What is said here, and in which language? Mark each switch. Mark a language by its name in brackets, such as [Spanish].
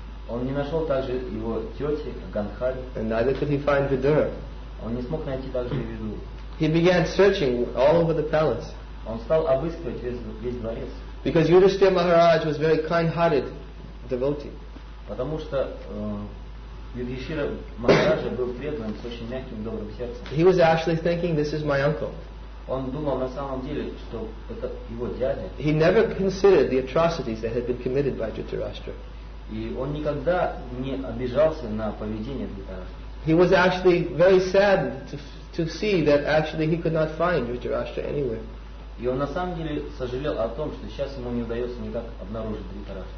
[Russian] Он не нашел также его тети Гандхари. [English] And neither could he find Vidura. [Russian] Он не смог найти также Виду. [English] He began searching all over the palace. [Russian] Он стал обыскивать весь дворец. [English] Because Yudhishthira Maharaj was very kind-hearted devotee. [Russian] Потому что Юдхиштхира Махарадж был преданным с очень мягким добрым сердцем. [English] He was actually thinking, this is my uncle. [Russian] Он думал на самом деле, что это его дядя. [English] He never considered the atrocities that had been committed by Dhritarashtra. [Russian] И он никогда не обижался на поведение Дхритарашты. [English] He was actually very sad to see that actually he could not find Dhritarashtra anywhere. [Russian] И он на самом деле сожалел о том, что сейчас ему не удается никак обнаружить Дхритарашту.